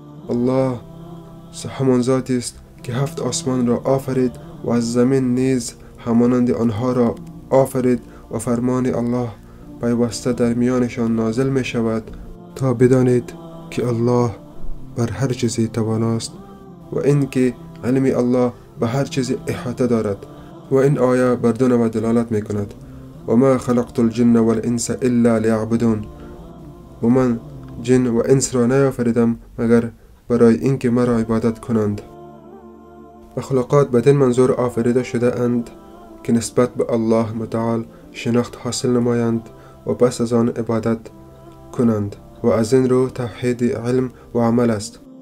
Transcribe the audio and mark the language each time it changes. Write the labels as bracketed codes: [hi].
[fa] الله همان ذاتی است که هفت آسمان را آفرید و از زمین نیز همانند آنها را آفرید و فرمان الله پیوسته در میانشان نازل می شود تا بدانید که الله بر هر چیزی تواناست و اینکه علم الله به هر چیزی احاطه دارد. و این آیه بر دو نوع دلالت می کند. [ar] و ما خلقت الجن والانس الا ليعبدون. [fa] و من جن و انس را نیافریدم مگر برای اینکه مرا عبادت کنند. مخلوقات بدین منظور آفریده شده اند که نسبت به الله متعال شناخت حاصل نمایند و پس از آن عبادت کنند و از این رو توحید علم و عمل است.